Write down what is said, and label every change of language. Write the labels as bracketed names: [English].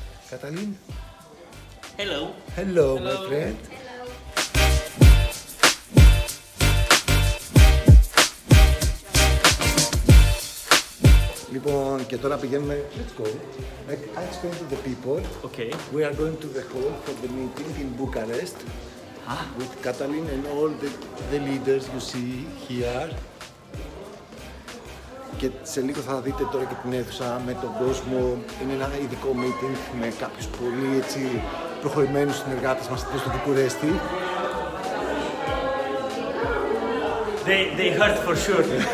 [Greek] Καταλίν. [English] Hello. Hello. Hello, my friend. Hello. [Greek] Λοιπόν, και τώρα πηγαίνουμε. [English] Let's go. Like, I explain to the people. Okay. We are going to the hall for the meeting in Bucharest. Huh? With Katalin and all the leaders you see here. [Greek] Και σε λίγο θα δείτε τώρα και την αίθουσα με τον κόσμο. Είναι ένα ειδικό meeting με κάποιους πολύ έτσι προχωρημένους συνεργάτες μας εδώ στο Βουκουρέστι. [English] They heard for sure.